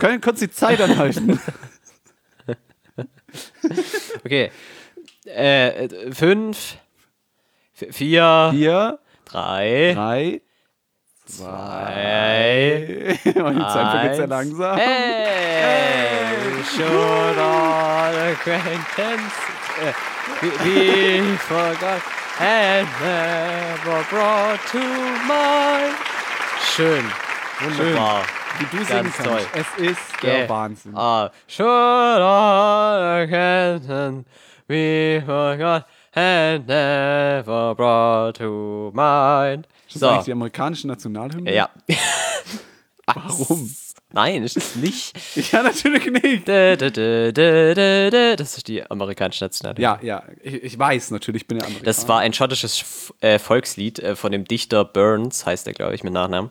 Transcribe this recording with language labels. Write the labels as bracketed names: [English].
[German] Könnt ihr kurz die Zeit anhalten? Okay. Fünf. Vier. Vier. Drei. Zwei. Und die Zeit vergeht sehr langsam. Hey. [English] All acquaintance we forgot and never brought to mind. [German] Schön. Wunderbar. Schön. Wie du singen kannst. Toll. Es ist der Wahnsinn. [English] Should all acquaintance we forgot and never brought to mind. [German] Das ist eigentlich die amerikanische Nationalhymne? Ja. Warum? Nein, ist es nicht. Ja, natürlich nicht. Das ist die amerikanische Nationalhymne. Ja, ja. Ich weiß natürlich, ich bin ja Amerikaner. Das war ein schottisches Volkslied von dem Dichter Burns, heißt er, glaube ich, mit Nachnamen.